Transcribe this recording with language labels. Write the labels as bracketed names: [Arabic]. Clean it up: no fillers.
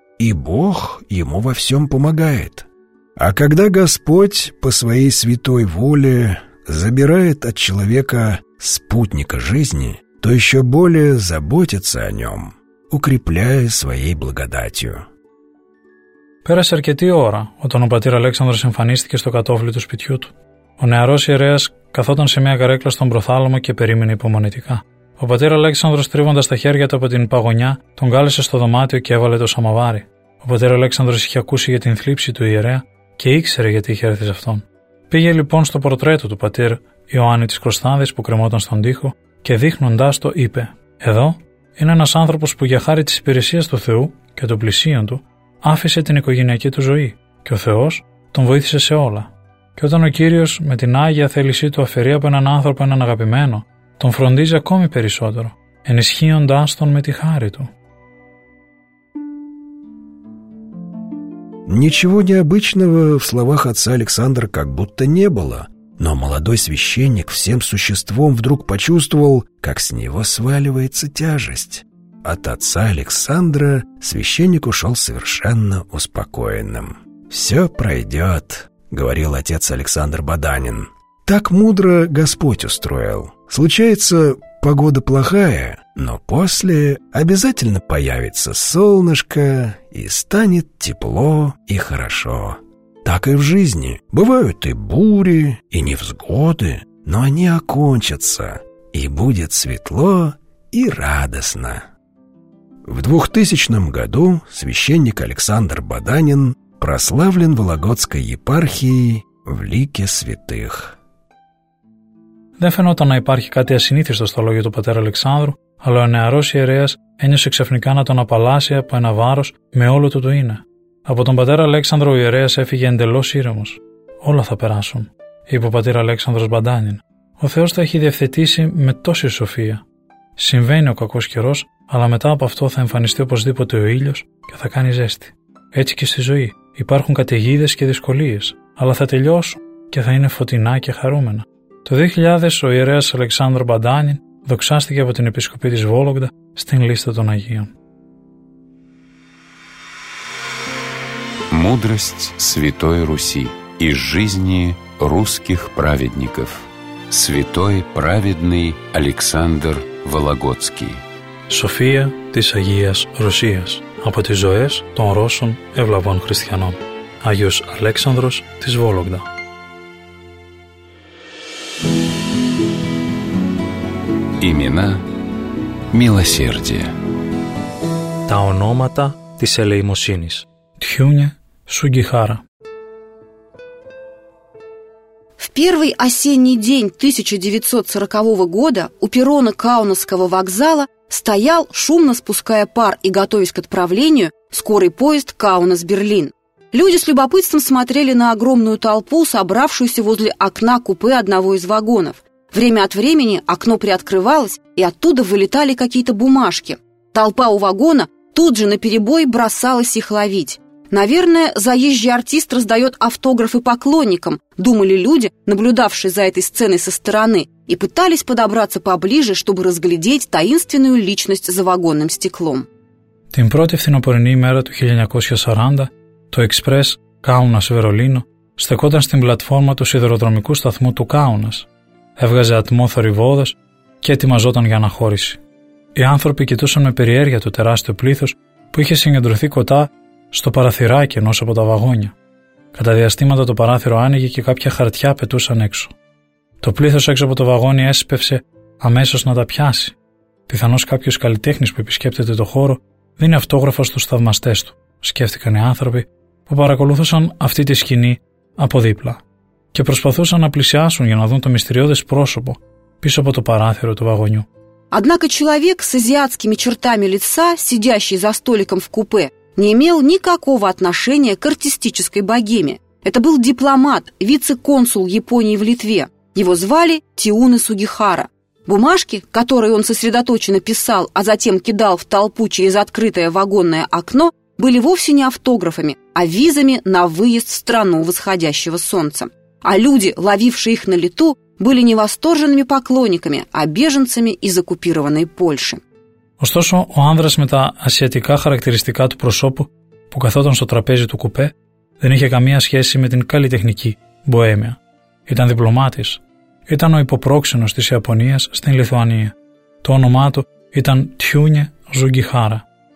[Russian] И Бог ему во всем помогает. А когда Господь по своей святой воле забирает от человека спутника жизни, то еще более заботится о нем, укрепляя своей благодатью». [Greek] Пέρασε αρκετή ώρα όταν ο πατήρ Αλέξανδρος εμφανίστηκε στο κατόφλι του σπιτιού του. Ο νεαρός ιερέας καθόταν σε μια καρέκλα στον προθάλαμο και περίμενε υπομονετικά. Ο πατήρ Αλέξανδρος, τρίβοντας τα χέρια του από την παγωνιά, τον κάλεσε στο δωμάτιο και έβαλε το σαμαβάρι. Ο πατήρ Αλέξανδρος είχε ακούσει για την θλίψη του ιερέα και ήξερε γιατί είχε έρθει σε αυτόν. Πήγε λοιπόν στο πορτρέτο του πατήρ Ιωάννη της Κροστάδης που κρεμόταν στον τοίχο και δείχνοντάς το είπε: «Εδώ είναι ένας άνθρωπος που για χάρη της υπηρεσίας του Θεού και των πλησίων του άφησε την οικογενειακή του ζωή και ο Θεός τον βοήθησε σε όλα. Και όταν ο Κύριος με την Άγια θέλησή του αφαιρεί από έναν άνθρωπο έναν αγαπημένο, τον φροντίζει ακόμη περισσότερο, ενισχύοντάς τον με τη χάρη του». [Russian] Ничего необычного в словах отца Александра как будто не было, но молодой священник всем существом вдруг почувствовал, как с него сваливается тяжесть. От отца Александра священник ушел совершенно успокоенным. «Все пройдет», — говорил отец Александр Баданин. «Так мудро Господь устроил. Случается, погода плохая, но после обязательно появится солнышко, и станет тепло и хорошо. Так и в жизни. Бывают и бури, и невзгоды, но они окончатся, и будет светло и радостно». В 2000 году священник Александр Баданин прославлен Вологодской епархией в лике святых. [Greek] Δεν φαινόταν να υπάρχει κάτι ασυνήθιστο στα λόγια του πατέρα Αλεξάνδρου, αλλά ο νεαρός ιερέας ένιωσε ξαφνικά να τον απαλλάσσει από ένα βάρος με όλο του το είναι. Από τον πατέρα Αλέξανδρο ο ιερέας έφυγε εντελώς ήρεμος. «Όλα θα περάσουν», είπε ο πατήρ Αλέξανδρος Μπαντάνιν. «Ο Θεός το έχει διευθετήσει με τόση σοφία. Συμβαίνει ο κακός καιρός, αλλά μετά από αυτό θα εμφανιστεί οπωσδήποτε ο ήλιος και θα κάνει ζέστη. Έτσι και στη ζωή υπάρχουν καταιγίδες και δυσκολίες, αλλά θα τελειώσουν και θα είναι φωτεινά και χαρούμενα». Το 2000 ο ιερέας Αλεξάνδρο Μπαντάνιν δοξάστηκε από την Επισκοπή της Βόλογδα στην Λίστα των Αγίων. [Russian] Мудрость Святой Руси из жизни русских праведников. Святой праведный Александр Вологодский. [Greek] Σοφία της Αγίας Ρωσίας από τις ζωές των Ρώσων ευλαβών χριστιανών. Άγιος Αλέξανδρος της Βόλογδα. [Russian] Имена милосердия. [Greek] Τα ονόματα της ελεημοσύνης. [Russian] Тхюня Сугихара. В первый осенний день 1940 года у перрона Каунасского вокзала стоял, шумно спуская пар и готовясь к отправлению, скорый поезд Каунас-Берлин. Люди с любопытством смотрели на огромную толпу, собравшуюся возле окна купе одного из вагонов. Время от времени окно приоткрывалось, и оттуда вылетали какие-то бумажки. Толпа у вагона тут же наперебой бросалась их ловить. «Наверное, заезжий артист раздает автографы поклонникам», думали люди, наблюдавшие за этой сценой со стороны, и пытались подобраться поближе, чтобы разглядеть таинственную личность за вагонным стеклом. [Greek] Την πρώτη φθινοπορεινή ημέρα του 1940, το [Russian] «Экспресс Каунас Веролино» [Greek] στεκόταν στην πλατφόρμα του σιδηροδρομικού σταθμού του Κάουνας. Έβγαζε ατμό θορυβόδος και ετοιμαζόταν για αναχώρηση. Οι άνθρωποι κοιτούσαν με περιέργεια το τεράστιο πλήθος που είχε συγκεντρωθεί κοντά στο παραθυράκι ενός από τα βαγόνια. Κατά διαστήματα το παράθυρο άνοιγε και κάποια χαρτιά πετούσαν έξω. Το πλήθος έξω από το βαγόνι έσπευσε αμέσως να τα πιάσει. Πιθανώς κάποιος καλλιτέχνης που επισκέπτεται το χώρο δίνει αυτόγραφο στους θαυμαστές του, σκέφτηκαν οι άνθρωποι που παρακολουθούσαν αυτή τη σκηνή από δίπλα και προσπαθούσαν να πλησιάσουν για να δουν το μυστηριώδες πρόσωπο πίσω από το παράθυρο του βαγονιού. [Russian] Однако человек с азиатскими чертами лица, сидящий за столиком в купе, не имел никакого отношения к артистической богеме. Это был дипломат, вице-консул Японии в Литве. Его звали Тиуны Сугихара. Бумажки, которые он сосредоточенно писал, а затем кидал в толпу через открытое вагонное окно, были вовсе не автографами, а визами на выезд в страну восходящего солнца. А люди, ловившие их на лету, были не восторженными поклонниками, а беженцами из оккупированной Польши. [Greek] Ωστόσο, ο άνδρας με τα ασιατικά χαρακτηριστικά του προσώπου που καθόταν στο τραπέζι του κουπέ δεν είχε καμία σχέση με την καλλιτεχνική μποέμια. Ήταν διπλωμάτης. Ήταν ο υποπρόξενος της Ιαπωνίας στην Λιθουανία. Το όνομά του ήταν Τιούνιε Ζουγκιχάρα.